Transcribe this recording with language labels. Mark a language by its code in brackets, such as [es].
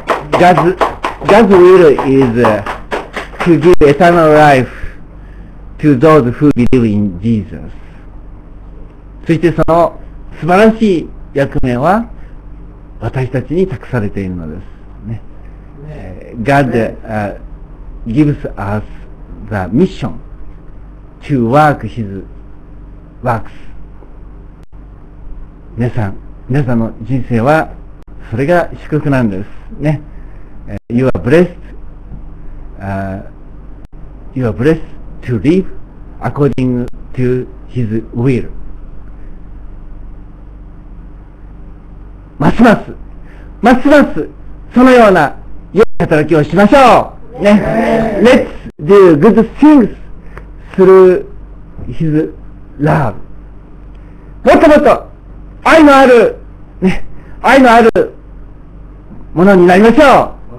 [en] God's will is to give eternal life to those who believe in Jesus. [ja] そしてその素晴らしい役目は私たちに託されているのです。 [en] ね、God gives us the mission to work his works. [ja] 皆さんの人生はそれが祝福なんです。 [en] ね、You are blessed to live according to His will. [ja] ますます、ますます、そのような良い働きをしましょう。 [en] ね。Let's do good things through His love. [ja] もっともっと愛のある、ね、愛のあるものになりましょう。